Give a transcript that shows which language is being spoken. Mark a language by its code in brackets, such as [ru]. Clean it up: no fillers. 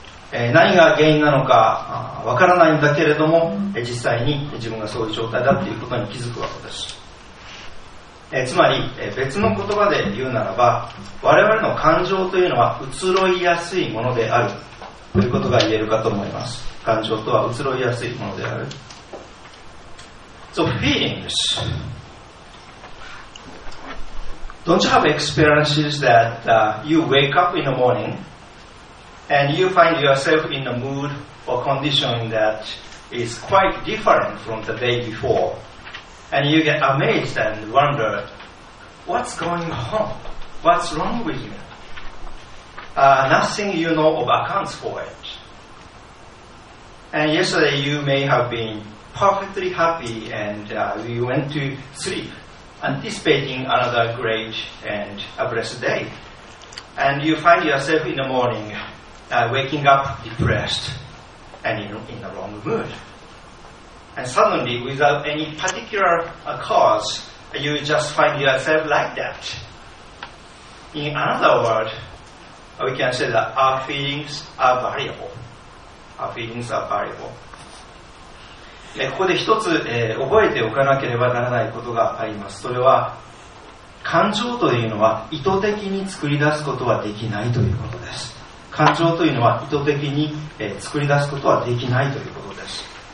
[ja] 何が原因なのかわからないんだけれども、実際に自分がそういう状態だということに気づくわけです。つまり別の言葉で言うならば、我々の感情というのは移ろいやすいものであるということが言えるかと思います。感情とは移ろいやすいものである。 [en] So feelings, Don't you have experiences that you wake up in the morningAnd you find yourself in a mood or condition that is quite different from the day before. And you get amazed and wonder, what's going on? What's wrong with you? Nothing you know of accounts for it. And yesterday you may have been perfectly happy and you went to sleep anticipating another great and a blessed day. And you find yourself in the morning,waking up depressed and in the wrong mood. And suddenly, without any particular cause, you just find yourself like that. In another word, we can say that our feelings are variable. Our feelings are variable. [ja] ここで一つ、覚えておかなければならないことがあります。それは、感情というのは意図的に作り出すことはできないということです。感情というのは意図的に作り出すことはできないということです。